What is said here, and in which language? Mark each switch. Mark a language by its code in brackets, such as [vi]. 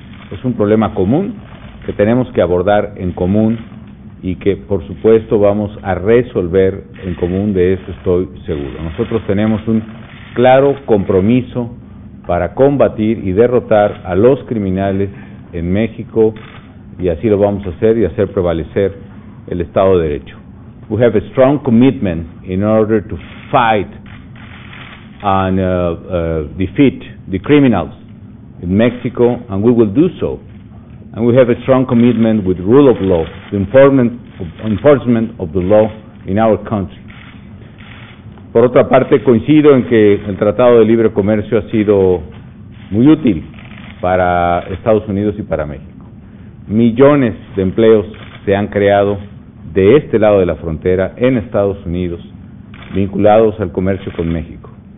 [es] Es un problema común que tenemos que abordar en común y que, por supuesto, vamos a resolver en común, de eso estoy seguro. Nosotros tenemos un claro compromiso para combatir y derrotar a los criminales en México, y así lo vamos a hacer y hacer prevalecer el Estado de Derecho. [en] We have a strong commitment in order to fight and defeat the criminals in Mexico, and we will do so And we have a strong commitment with rule of law, the enforcement of the law in our country. [es] Por otra parte, coincido en que el Tratado de Libre Comercio ha sido muy útil para Estados Unidos y para México. Millones de empleos se han creado de este lado de la frontera en Estados Unidos, vinculados al comercio con México.